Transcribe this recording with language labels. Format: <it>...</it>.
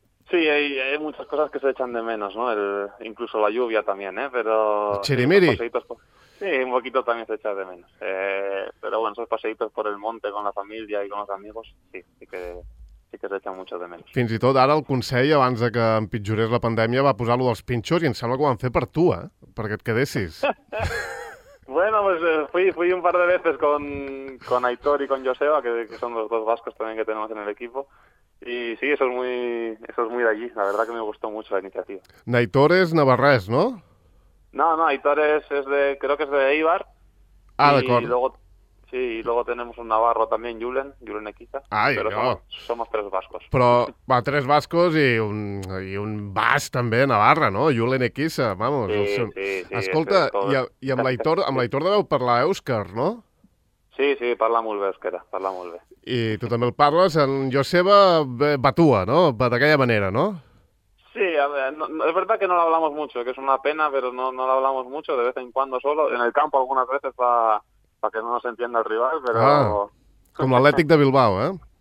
<es>Sí, hay muchas cosas que se echan de menos, ¿no? Incluso la lluvia también, ¿eh? Pero el chirimiri. Sí, un poquito también se echa de menos. Pero bueno, esos paseitos por el monte con la familia y con los amigos, sí que se echan mucho de menos.</es> <ca>Fins i tot ara el Consell, abans de que empitjorés la pandèmia, va posar lo dels pinxos i em sembla que ho van fer per tu, perquè et quedessis.</ca> <es>Bueno, pues fui un par de veces con Aitor y con Joseba, que son los dos vascos también que tenemos en el equipo. Y sí, eso es muy de allí. La verdad que me gustó mucho la iniciativa. Aitor es navarrés, ¿no? No, Aitor creo que es de Eibar.</es> <ca>Ah, d'acord.</ca> <es>Sí, y luego tenemos un navarro también, Julen Equiza. Ai, però somos tres vascos.</es> <ca>Però, va, tres vascos i un bas també, Navarra, no?</ca> <es>Julen Equiza, vamos. Sí, sí.</es> <ca>Escolta, i amb l'Aitor deveu parlar èuscar, no? Sí, parla molt bé èuscar, parla molt bé. I tu també el parles, en Joseba batua, no? D'aquella manera, no?</ca> <es>Sí, es verdad que no lo hablamos mucho, que es una pena, pero no lo hablamos mucho, de vez en cuando solo, en el campo algunas veces para que no nos entienda el rival, pero... Ah, como l'Atlètic de Bilbao, ¿eh?</es>